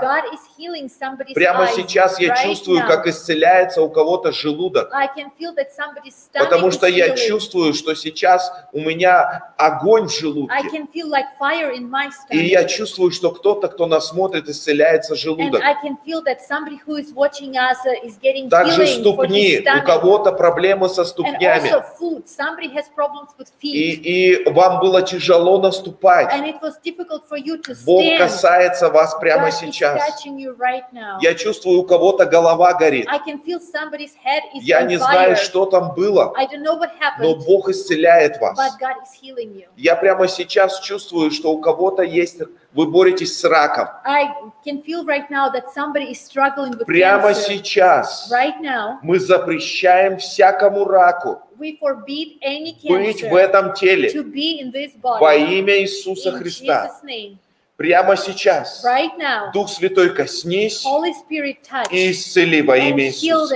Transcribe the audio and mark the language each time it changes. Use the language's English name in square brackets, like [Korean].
[English] God is healing somebody's [Russian] прямо [English] eyes [Russian] сейчас я [English] right [Russian] чувствую, [English] now, [Russian] как исцеляется у кого-то желудок. [English] I can feel that somebody's stomach [Russian] потому что [English] is healing. [Russian] Я чувствую, что сейчас у меня огонь в желудке. [English] I can feel like fire in my stomach. [Russian] И я чувствую, что кто-то, кто нас смотрит, исцеляется желудок. [English] And I can feel that somebody who is watching us is getting [Russian] также [English] healing [Russian] ступни, [English] for his stomach. [Russian] У кого-то проблемы со ступнями. [English] And also foot. Somebody has problems with feet. [Russian] И вам было тяжело наступать. [English] And it was difficult for you to stand. [Russian] Бог касается вас прямо сейчас. [English] God is touching you right now. [Russian] Я чувствую, у кого-то голова горит. [English] I can feel somebody's head is on fire. [Russian] Я не знаю, что там было. [English] I don't know what happened. [Russian] Но Бог исцеляет вас. [English] But God is healing you. [Russian] Я прямо сейчас чувствую, что у кого-то есть вы боретесь с раком. [English] I can feel right now that somebody is struggling with [Russian] прямо [English] cancer. [Russian] Сейчас [English] right now, [Russian] мы запрещаем всякому раку [English] we forbid any cancer [Russian] быть в этом теле [English] to be in this body. [Russian] Во имя Иисуса [English] in [Russian] Христа. [English] Jesus name. [Russian] Прямо сейчас [English] right now, [Russian] Дух Святой коснись [English] Holy Spirit touch, [Russian] и исцели во имя Иисуса.